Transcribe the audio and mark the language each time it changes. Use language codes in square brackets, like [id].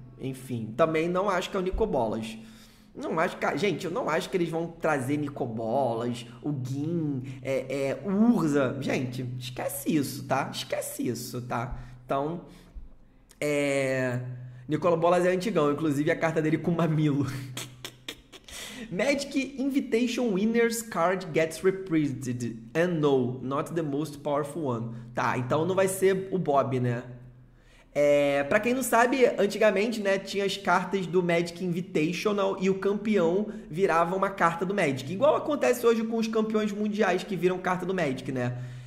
[pt] Enfim, também não acho que é o Nicobolas. Não acho que. Gente, eu não acho que eles vão trazer Nicobolas, o Guin, Urza. Gente, esquece isso, tá? Esquece isso, tá? Então. Nicolobolas é antigão, inclusive a carta dele com mamilo. [en] Magic Invitation Winner's Card gets reprinted. And no, not the most powerful one. [pt] Tá, então não vai ser o Bob, né? Pra quem não sabe, antigamente, né, tinha as cartas do Magic Invitational e o campeão virava uma carta do Magic. Igual acontece hoje com os campeões mundiais que viram carta do Magic, né?